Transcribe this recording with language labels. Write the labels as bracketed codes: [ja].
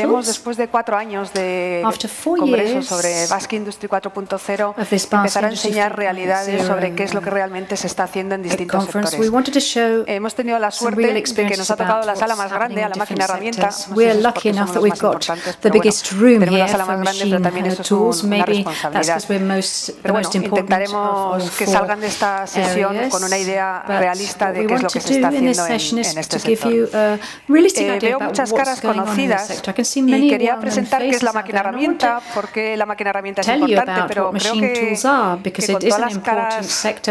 [es] Queremos, después de cuatro años de congreso sobre Basque Industry 4.0, empezar a enseñar realidades sobre qué es lo que realmente se está haciendo en distintos sectores. [en] We wanted to show [es] hemos tenido la suerte de que nos ha tocado la sala más grande a la máquina herramienta. [en] We're lucky enough that we've got the biggest room here for machine tools. Maybe that's because we're the most important. [es] Intentaremos que salgan de esta sesión con una idea realista de qué es lo que se está haciendo en este sector. [en] Give you a realistic idea. [es] Veo muchas caras conocidas y quería presentar qué es la máquina herramienta, porque la máquina herramienta es importante, pero creo que con todas las caras